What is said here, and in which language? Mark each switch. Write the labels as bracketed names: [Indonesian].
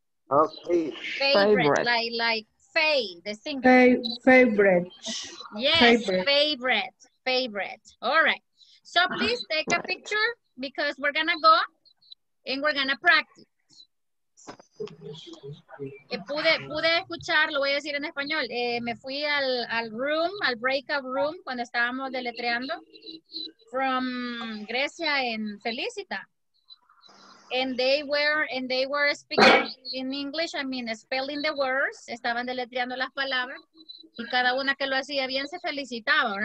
[English] Okay. Favorite. Like Faye, the singer. Favorite. Yes. Favorite. Favorite. All right. So please take a picture because we're gonna go and we're gonna practice. [Spanish] Pude escuchar, lo voy a decir en español. Me fui al room, al breakout room, cuando estábamos deletreando, [English] from Grecia and Felicita. And they were speaking in English, I mean, spelling the words. [Spanish] Estaban deletreando las palabras. Y cada una que lo hacía bien se felicitaba.